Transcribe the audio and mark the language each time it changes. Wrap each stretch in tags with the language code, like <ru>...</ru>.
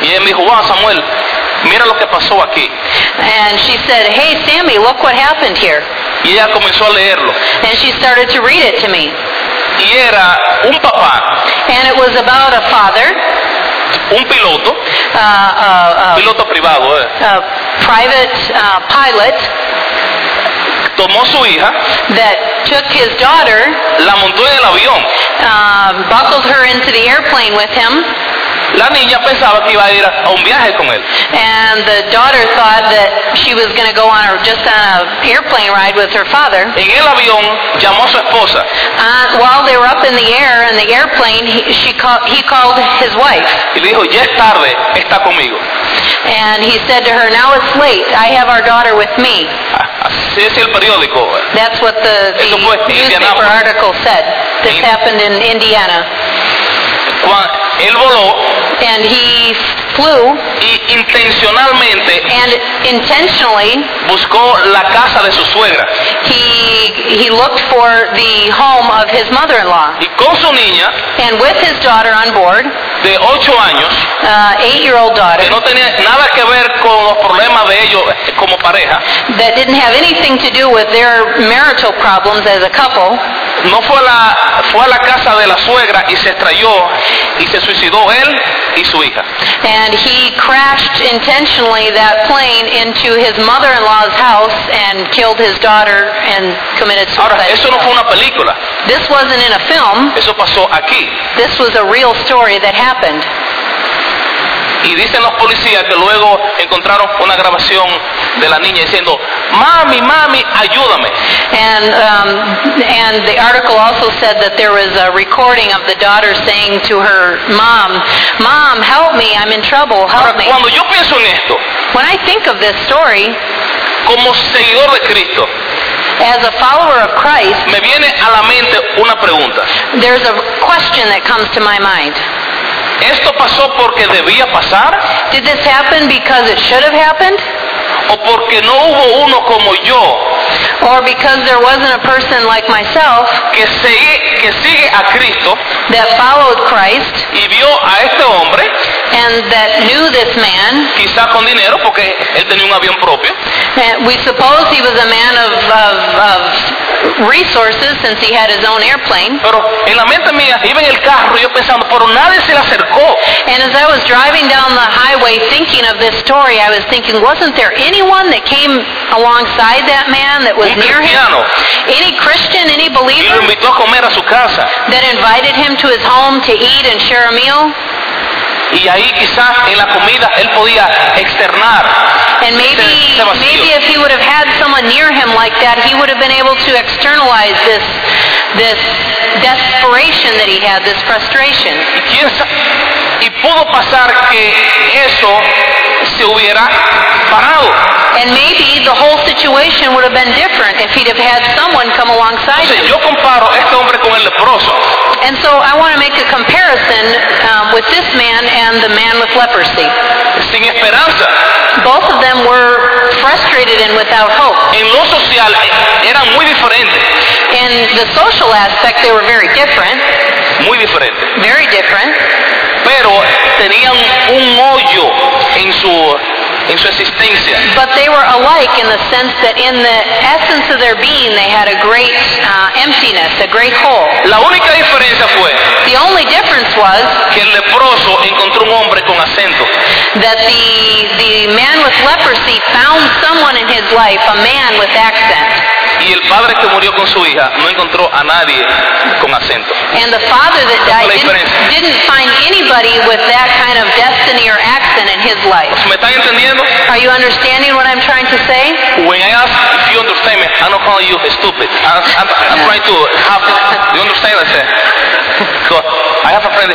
<es>Y ella me dijo, wow, Samuel, mira lo que pasó aquí.</es> <en>And she said, hey, Sammy, look what happened here.</en> <es>Y ella comenzó a leerlo.</es> <en>And she started to read it to me.</en> <es>Y era un papá.</es> <en>And it was about a father.</en> <es>Un piloto, piloto privado,</es> <en>private pilot,</en> <es>tomó su hija,</es> <en>that took his daughter,</en> <es>la montó en el avión,</es> <en>buckled her into the airplane with him.</en> <es>La niña pensaba que iba a ir a un viaje con él.</es> <en>And the daughter thought that she was going to go on on an airplane ride with her father.</en> <es>En el avión, llamó a su esposa.</es> <en>While they were up in the air in the airplane, he called his wife.</en> <es>Y le dijo, ya es tarde, está conmigo.</es> <en>And he said to her, now it's late, I have our daughter with me.</en> <es>Así es el periódico.</es> <en>That's what the newspaper article said. This happened in Indiana.</en> <es>Él voló,</es> <en>and he flew,</en> <es>y intencionalmente,</es> <en>and intentionally,</en> <es>buscó la casa de su suegra.</es> <en>He looked for the home of his mother-in-law.</en> <es>Y con su niña,</es> <en>and with his daughter on board,</en> <es>de 8 años,</es> <en>8-year-old daughter,</en> <es>que no tenía nada que ver con los problemas de ellos como pareja,</es> <en>that didn't have anything to do with their marital problems as a couple.</en> <es>No fue a la casa de la suegra y se estrelló y se suicidó él y su hija.</es> <en>And he crashed intentionally that plane into his mother-in-law's house and killed his daughter and committed suicide.</en> <es>Ahora, eso no fue una película.</es> <en>This wasn't in a film.</en> <es>Eso pasó aquí.</es> <en>This was a real story that happened.</en> <es>Y dicen los policías que luego encontraron una grabación de la niña diciendo, mami, mami, ayúdame.</es> <en>And the article also said that there was a recording of the daughter saying to her mom, mom, help me, I'm in trouble, help</en> <es>Ahora,</es> <en>me.</en> <es>Cuando yo pienso en esto,</es> <en>when I think of this story,</en> <es>como seguidor de Cristo,</es> <en>as a follower of Christ,</en> <es>me viene a la mente una pregunta.</es> <en>There's a question that comes to my mind.</en> <es>¿Esto pasó porque debía pasar?</es> <en>Did this happen because it should have happened?</en> <es>¿O porque no hubo uno como yo?</es> <en>Or because there wasn't a person like myself</en> <es>que sigue a Cristo,</es> <en>that followed Christ,</en> <es>y vio a este hombre,</es> <en>and that knew this man,</en> <es>quizá con dinero porque él tenía un avión propio.</es> <en>And we suppose he was a man of resources since he had his own airplane.</en> <es>Pero en la mente mía iba en el carro yo pensando, pero nadie se le acercó.</es> <en>And as I was driving down the highway thinking of this story, I was thinking, wasn't there anyone that came alongside that man that was near him? Any Christian, any believer,</en> <es>y lo invitó a comer a su casa,</es> <en>that invited him to his home to eat and share a meal?</en> <es>Y ahí quizás en la comida él podía externar.</es> <en>And maybe if he would have had someone near him like that, he would have been able to externalize this desperation that he had, this frustration.</en> <es>Y pudo pasar que eso se hubiera parado.</es> <en>And maybe the whole situation would have been different if he'd have had someone come alongside</en> <es>him. Yo comparo este hombre con el leproso.</es> <en>And so I want to make a comparison with this man and the man with leprosy.</en> <es>Sin esperanza.</es> <en>Both of them were frustrated and without hope.</en> <es>En lo social, eran muy diferentes.</es> <en>In the social aspect, they were very different.</en> <es>Muy diferente.</es> <en>Very different.</en> <es>Pero tenían un hoyo en su existencia.</es> <en>But they were alike in the sense that in the essence of their being, they had a great emptiness, a great hole.</en> <es>La única diferencia fue,</es> <en>the only difference difference was</en> <es>que el leproso encontró un hombre con acento.</es> <en>That the man with leprosy found someone in his life, a man with accent.</en> <es>Y el padre que murió con su hija no encontró a nadie con acento.</es> <en>And the father that died didn't find anybody with that kind of destiny or accent in his life.</en> <es>¿Me están entendiendo?</es> <en>Are you understanding what I'm trying to say? When I ask if you understand me, I don't call you stupid. I'm trying to help you. Do you understand? I say, so I have a friend.</en>